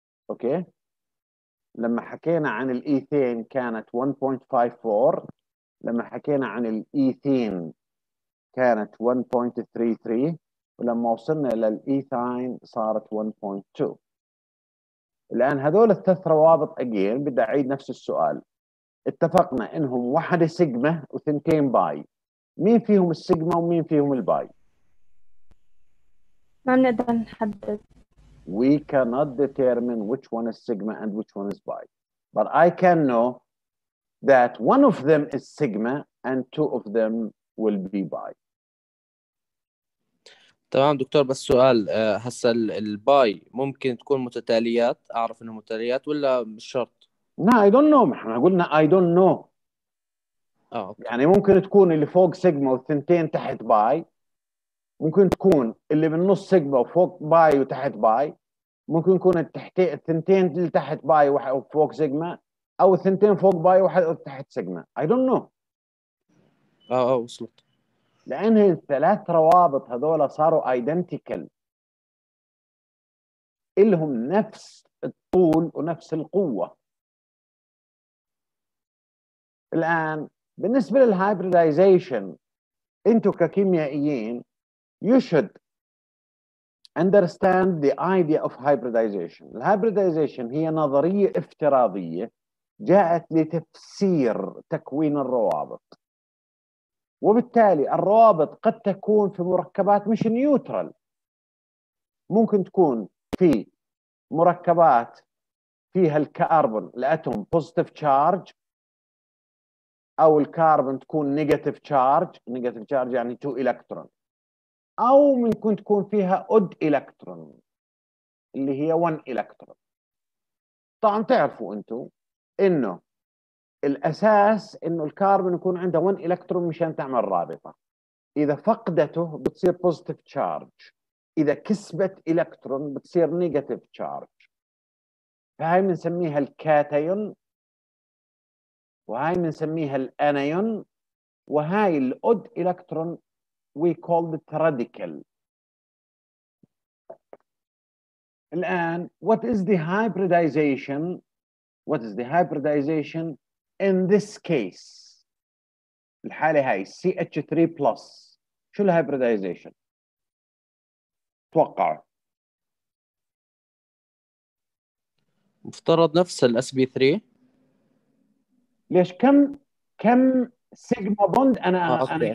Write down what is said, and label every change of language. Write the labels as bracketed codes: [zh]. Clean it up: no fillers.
[ar] أوكي، لما حكينا عن الإيثين كانت 1.54، لما حكينا عن الإيثين كانت 1.33، ولما وصلنا إلى الإيثين صارت 1.2. الآن هذول الثلاث روابط أجين بدي أعيد نفس السؤال، اتفقنا إنهم واحدة سيجما وثنتين باي، مين فيهم السيجما ومين فيهم الباي؟ ما نقدر نحدد. [en] We cannot determine which one is sigma and which one is pi. But I can know that one of them is sigma and two of them will be pi. [ar] تمام دكتور، بس سؤال، هسا الباي ممكن تكون متتاليات، أعرف إنه متتاليات ولا بالشرط؟ [en] No, I don't know. [ar] احنا قلنا [en] I don't know. [ar] يعني ممكن تكون اللي فوق سيجما والثنتين تحت باي، ممكن تكون اللي بالنص سيجما وفوق باي وتحت باي، ممكن يكون الثنتين اللي تحت باي وفوق سيجما، او الثنتين فوق باي وواحد تحت سيجما. [en] I don't know. [ar] وصلت. لان الثلاث روابط هذول صاروا ايدنتيكال، لهم نفس الطول ونفس القوه. الان بالنسبه للهايبريدايزيشن، انتم ككيميائيين [en] you should understand the idea of hybridization. [ar] الهايبريدايزيشن هي نظرية افتراضية جاءت لتفسير تكوين الروابط، وبالتالي الروابط قد تكون في مركبات مش نيوترال، ممكن تكون في مركبات فيها الكربون الاتوم بوزيتيف تشارج، او الكربون تكون نيجاتيف تشارج. نيجاتيف تشارج يعني 2 الكترون، أو ممكن تكون فيها أود إلكترون اللي هي 1 إلكترون. طبعاً تعرفوا أنتوا إنه الأساس إنه الكربون يكون عنده 1 إلكترون مشان تعمل رابطة، إذا فقدته بتصير بوزيتيف تشارج، إذا كسبت إلكترون بتصير نيجاتيف تشارج. فهاي بنسميها الكاتيون، وهاي بنسميها الأنيون، وهاي الأود إلكترون [en] we call it radical. الآن what is the hybridization, what is the hybridization in this case؟ [ar] الحالة هاي [en] CH3 plus، [ar] شو ال [en] hybridization [ar] توقع؟ مفترض نفس ال SB3. ليش؟ كم sigma bond أنا okay.